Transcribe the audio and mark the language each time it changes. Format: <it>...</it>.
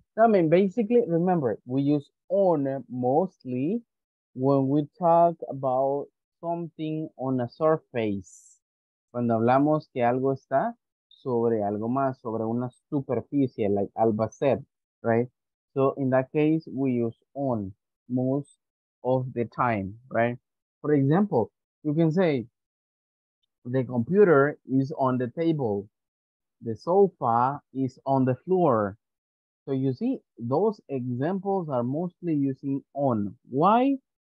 <en>I mean, basically, remember, we use on mostly when we talk about something on a surface.</en> <es>Cuando hablamos que algo está sobre algo más, sobre una superficie,</es> <en>like Alba said, right? So, in that case, we use on most of the time, right? For example, you can say, the computer is on the table. The sofa is on the floor. So you see, those examples are mostly using on. Why?</en>